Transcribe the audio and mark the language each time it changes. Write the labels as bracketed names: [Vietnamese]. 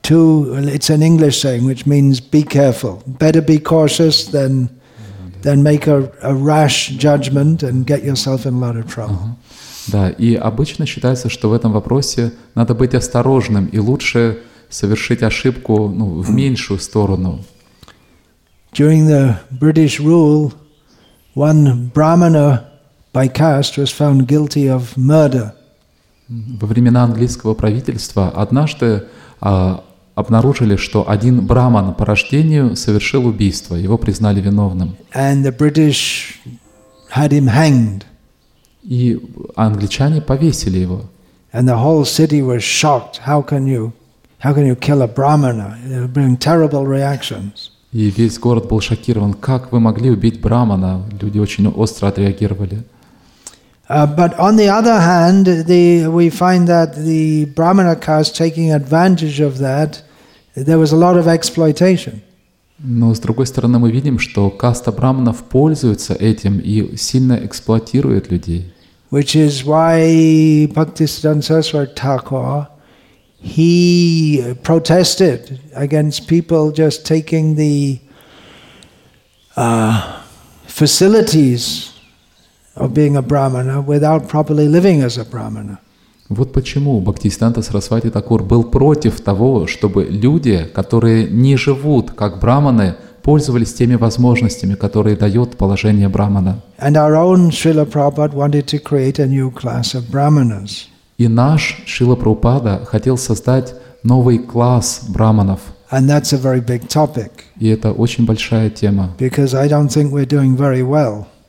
[English] It's an English saying, which means be careful. Better be cautious than make a rash judgment and get yourself in a lot of trouble. [Russian] Да, и обычно считается, что в этом вопросе надо быть осторожным и лучше совершить ошибку, ну, в меньшую сторону. [English] During the British rule, one brahmana by caste was found guilty of murder. [Russian] Во времена английского правительства однажды обнаружили, что один браман по рождению совершил убийство, его признали виновным. [English] And the British had him hanged. [Russian] И англичане повесили его. [English] And the whole city was shocked. How can you kill a brahmana? There were terrible reactions. [Russian] И весь город был шокирован. Как вы могли убить брамана? Люди очень остро отреагировали. [English] But on the other hand, we find that the brahmana caste taking advantage of that, there was a lot of exploitation. [Russian] Но с другой стороны, мы видим, что каста браманов пользуется этим и сильно эксплуатирует людей. [English] Which is why Bhaktisiddhanta Saraswati Thakur, he protested against people just taking the facilities of being a brahmana without properly living as a brahmana. [Russian] Вот почему Бхактисиддханта Сарасвати Такур был против того, чтобы люди, которые не живут как брахманы, пользовались теми возможностями, которые дает положение брахмана. [English] And our own Srila Prabhupada wanted to create a new class of brahmanas. [Russian] И наш Шрила Прабхупада хотел создать новый класс брахманов. [English] And that's a very big topic. [Russian] И это очень большая тема. [English] Because I don't think we're doing very well.